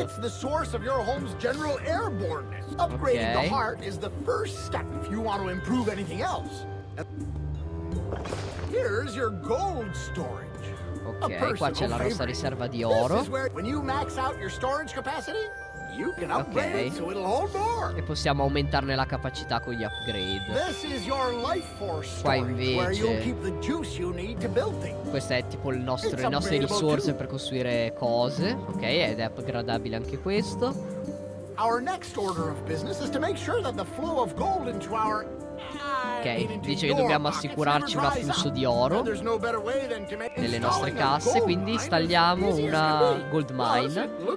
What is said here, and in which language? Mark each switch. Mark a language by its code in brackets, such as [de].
[en] It's the source of your home's general airborneness. Upgrading the heart is the first step if you want to improve anything else. Here's your gold storage. [it] Ok, qua c'è la nostra riserva di oro. [en] When you max out your storage capacity, you can upgrade it so it'll hold more. [it] E possiamo aumentarne la capacità con gli upgrade. [en] This is your life force [it] storage, invece, [en] where you keep the juice you need to build things. [it] Questa è tipo le nostre risorse per costruire cose. Ok, ed è upgradabile anche questo. [en] Our next order of business is to make sure that the flow of gold into our. [it] Ok, dice che dobbiamo assicurarci un afflusso di oro nelle nostre casse, quindi installiamo una gold mine.